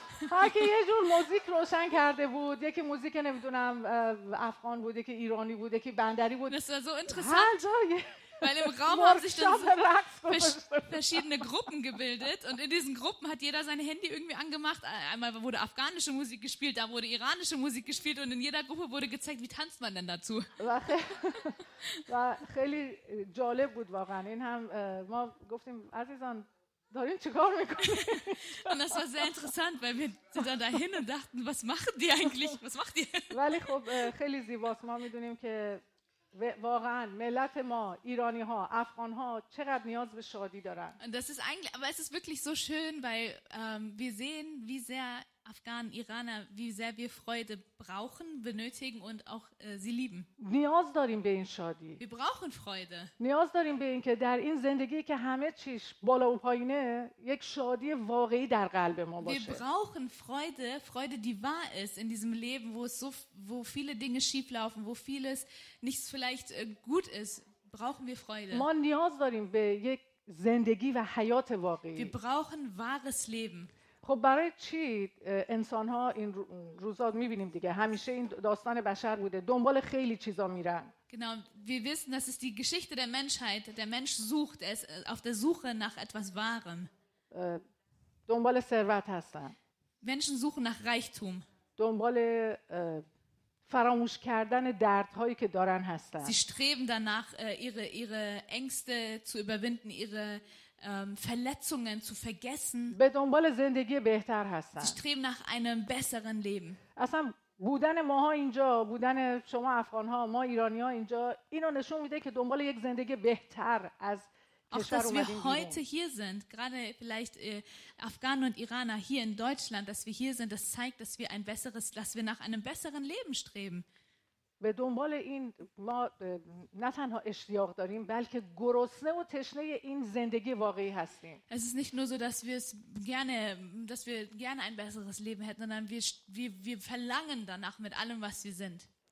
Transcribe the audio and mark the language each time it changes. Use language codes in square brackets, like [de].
[fa] حاکی یه جور موزیک روشن کرده بود یکی موزیک نمیدونم افغان بود یکی ایرانی بود یکی بندری بود [de] مثلا so interessant weil im Raum haben sich dann verschiedene Gruppen gebildet und in diesen Gruppen hat jeder sein Handy irgendwie angemacht. Einmal wurde afghanische Musik gespielt, da wurde iranische Musik gespielt und in jeder Gruppe wurde gezeigt, wie tanzt man denn dazu. [fa] خیلی جالب بود واقعا این هم ما گفتیم عزیزان دارین چیکار میکنید؟ [de] Und das war sehr interessant, weil wir sind dann dahin und dachten, was machen die eigentlich? Was macht ihr? [fa] ولی خب خیلی زیباست ما میدونیم که واقعا ملت ما ایرانی ها افغان ها چقدر نیاز به شادی دارن. [de] Und das ist eigentlich, aber es ist wirklich so schön, weil wir sehen, wie sehr Afghanen, Iraner, wie sehr wir Freude brauchen, benötigen und auch sie lieben. [fa] نیاز داریم به این شادی. [de] Wir brauchen Freude. [fa] نیاز داریم به این که در این زندگی که همه چیش بالا و پایینه، یک شادی واقعی در قلب ما باشه. [de] Wir brauchen Freude, Freude, die wahr ist in diesem Leben, wo es so, wo viele Dinge schief laufen, wo vieles nicht vielleicht gut ist, brauchen wir Freude. [fa] ما نیاز داریم به یک زندگی و حیات واقعی. [de] Wir brauchen wahres Leben. [fa] خب برای چی انسان‌ها این روزا می‌بینیم دیگه همیشه این داستان بشر بوده دنبال خیلی چیزا میرن [de] Genau, wir wissen, das ist die Geschichte der Menschheit, der Mensch sucht es auf der Suche nach etwas Wahrem. [fa] دنبال ثروت هستن. [de] Menschen suchen nach Reichtum. [fa] دنبال فراموش کردن دردهایی که دارن هستن. [de] Sie streben danach ihre Ängste zu überwinden, ihre Verletzungen zu vergessen. [fa] به دنبال زندگی بهتر هستن. [de] Sie streben nach einem besseren Leben. [fa] اصلا بودن ماها اینجا، بودن شما افغان‌ها، ما ایرانی‌ها اینجا، اینو نشون میده که دنبال یک زندگی بهتر از [de] Auch dass wir heute hier sind, gerade vielleicht Afghanen und Iraner hier in Deutschland, dass wir hier sind, das zeigt, dass wir ein besseres, dass wir nach einem besseren Leben streben. [fa] به دنبال این ما نه تنها اشتیاق داریم بلکه گرسنه و تشنه این زندگی واقعی هستیم. [de] Es ist nicht nur so, dass wir es gerne, dass wir gerne ein besseres Leben hätten, sondern wir verlangen danach mit allem, was wir sind.